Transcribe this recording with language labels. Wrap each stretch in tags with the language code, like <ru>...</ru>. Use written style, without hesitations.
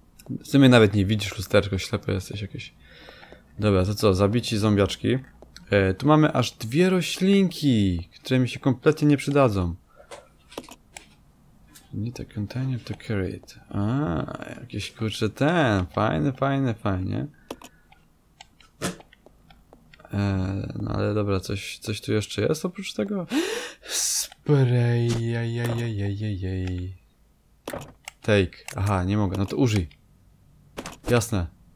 <pl>W sumie nawet nie widzisz, lusterczko, ślepy jesteś jakieś. Dobra, to co, zabici zombiaczki. Tu mamy aż dwie roślinki, które mi się kompletnie nie przydadzą.</pl> <en>Need a container to carry it.</en> <pl>Jakiś kurczę ten, fajnie. No ale dobra, coś tu jeszcze jest oprócz tego? Spray, jajajajajajajaj. Take, aha, nie mogę, no to użyj. Jasne.</pl>